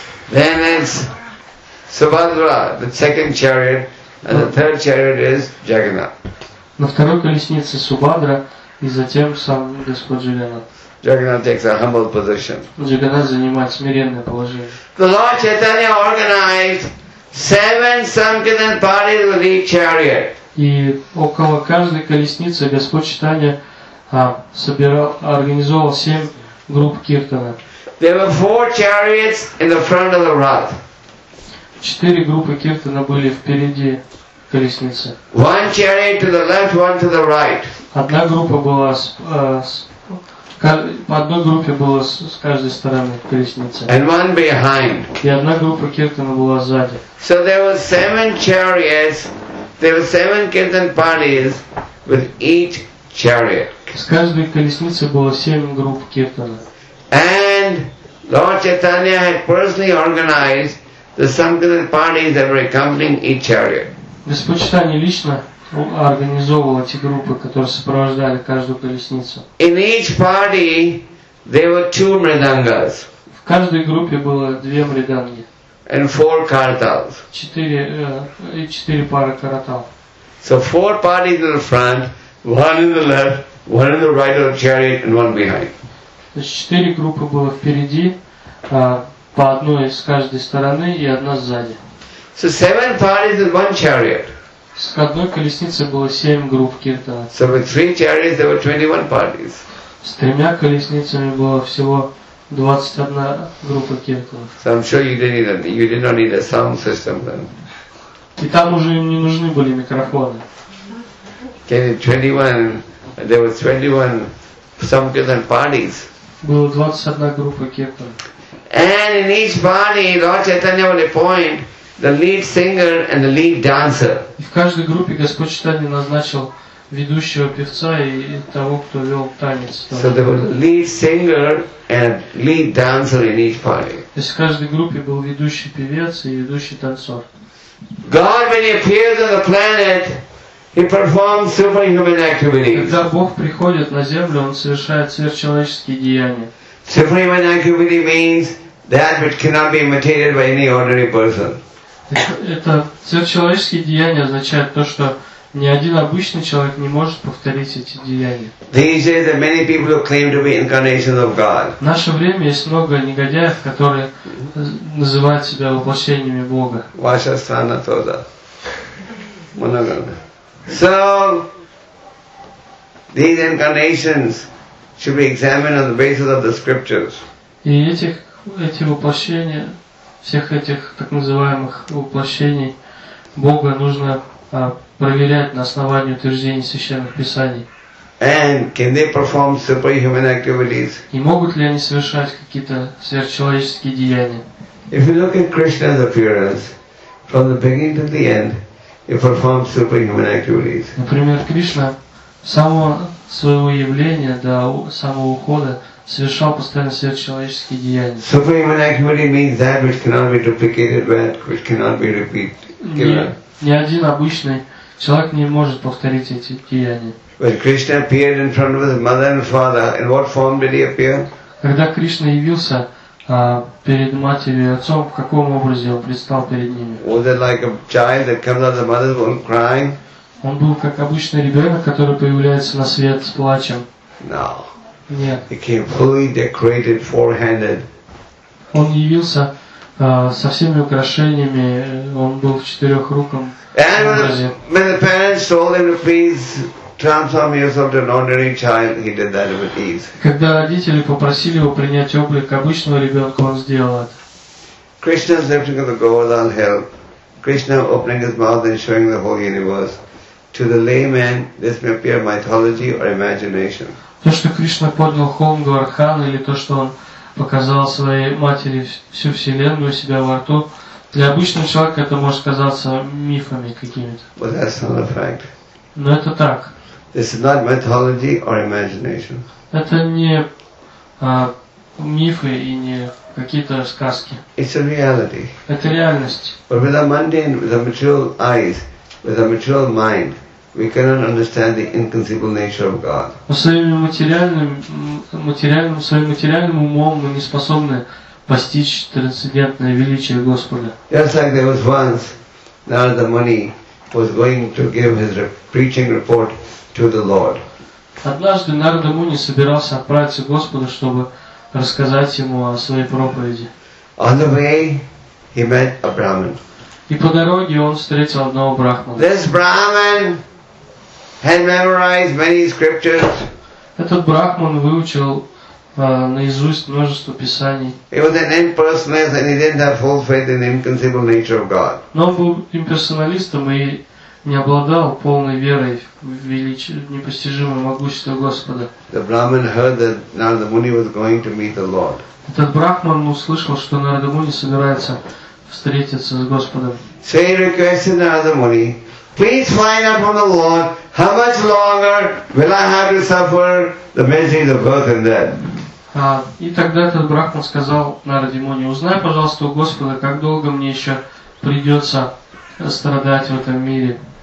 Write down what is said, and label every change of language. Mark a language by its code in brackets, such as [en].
[en] Then it's Subhadra, the second chariot. And the third chariot is Jagannath. [ru] на второй колеснице Субхадра и затем сам Господь Джаганат. [en] Jagannath takes a humble position. [ru] Jagannath занимает смиренное положение. [en] The Lord Chaitanya organized 7 Sankirtan parties with each chariot. [ru] И около каждой колесницы Господь Чайтанья собирал, организовал 7 групп киртана. [en] There were 4 chariots in the front of the rath. [ru] 4 группы киртана были впереди колесницы. [en] One chariot to the left, one to the right. [ru] Одна группа была по одной группе было с каждой стороны колесницы. [en] And one behind. [ru] И одна группа киртана была сзади. [en] So there were 7 chariots. There were 7 kirtan parties with each chariot. [ru] С каждой колесницы было 7 групп киртана. [en] And Lord Chaitanya had personally organized the sankirtan parties that were accompanying each chariot. [ru] Господь Чайтанья лично организовывал эти группы, которые сопровождали каждую колесницу. [en] In each party there were 2 mridangas. [ru] В каждой группе было 2 мриданги. [en] And 4 каратал. [ru] 4 пары каратал. [en] So 4 parties in the front, one in the left, one in the right of the chariot, and one behind. [ru] 4 группы было впереди, по одной с каждой стороны и одна сзади. [en] So 7 parties in one chariot. [ru] С одной колесницы было 7 групп киртана. [en] So with 3 chariots there were 21 parties. [ru] С тремя колесницами было всего 21 группа киртана. [en] So I'm sure you did not need a sound system then. [ru] И там уже не нужны были микрофоны. [en] Okay, 21, there was 21 some kirtan parties. [ru] Было 21 группа киртана. [en] And in each party, Lord Chaitanya would appoint the lead singer and the lead dancer. [ru] И в каждой группе Господь Чайтанья назначил ведущего певца и того, кто вел танец. [en] So there was a lead singer and lead dancer in each party. [ru] То есть в каждой группе был ведущий певец и ведущий танцор. [en] God, when he appears on the planet, he performs superhuman activities. [ru] Когда Бог приходит на Землю, он совершает сверхчеловеческие деяния. [en] Superhuman activity means that which cannot be imitated by any ordinary person. [ru] Это сверхчеловеческие деяния означают то, что ни один обычный человек не может повторить эти деяния. [en] These days there are many people who claim to be incarnations of God. [ru] В наше время есть много негодяев, которые называют себя воплощениями Бога. Ваша страна тоже. Много. [en] So these incarnations should be examined on the basis of the scriptures. [ru] И эти воплощения, всех этих так называемых воплощений Бога нужно проверять на основании утверждений священных писаний. [en] And can they perform superhuman activities? [ru] И могут ли они совершать какие-то сверхчеловеческие деяния? [en] If you look at Krishna's appearance from the beginning to the end, he performs superhuman activities. [ru] Например, Кришна с самого своего явления до самого ухода совершал постоянно сверхчеловеческие деяния. [en] Superhuman activity means that which cannot be duplicated, which cannot be repeated. [ru] Ни один обычный человек не может повторить эти деяния. [en] When Krishna appeared in front of his mother and father, in what form did he appear? [ru] Когда Кришна явился перед матерью и отцом, в каком образе он предстал перед ними? [en] Was it like a child that comes out of the mother's womb crying? [ru] Он был как обычный ребенок, который появляется на свет с плачем. [en] No. [ru] Нет. [en] He came fully decorated, four-handed. [ru] Он явился со всеми украшениями, он был в четырехруком образе. [en] When the parents told him to please transform yourself to an ordinary child, he did that with ease. [ru] Когда родители попросили его принять облик обычного ребенка, он сделал это. [en] Krishna's lifting of the Govardhan hill, Krishna opening his mouth and showing the whole universe. To the layman, this may appear mythology or imagination. [ru] То, что Кришна поднял холм Говардхана, или то, что он показал своей матери всю вселенную у себя во рту, для обычного человека это может казаться мифами какими-то. [en] But that's not a fact. [ru] Но это так. [en] This is not mythology or imagination. [ru] Это не мифы и не какие-то сказки. [en] It's a reality. [ru] Это реальность. [en] But with our mundane, with our material eyes, with our material mind, we cannot understand the inconceivable nature of God. [ru] Своим материальным умом мы не способны постичь трансцендентное величие Господа. [en] Just like there was once Narada Muni was going to give his preaching report to the Lord. [ru] Однажды Нарада Муни собирался отправиться к Господу, чтобы рассказать ему о своей проповеди. [en] On the way, he met a Brahmin. [ru] И по дороге он встретил одного брахмана. [en] This Brahmin had memorized many scriptures. [ru] Этот брахман выучил наизусть множество писаний. [en] He was an impersonalist, and he didn't have full faith in the inconceivable nature of God. [ru] Но он был имперсоналистом и не обладал полной верой в величие, непостижимое могущество Господа. [en] The Brahmin heard that Narada Muni was going to meet the Lord. [ru] Этот брахман услышал, что Нарада Муни собирается встретиться с Господом. [en] So he requested Narada Muni, please find out from the Lord how much longer will I have to suffer the miseries of birth and death. [ru] И тогда этот брахман сказал Нараде Муни, узнай, пожалуйста, у Господа, как долго мне еще придется страдать в этом мире.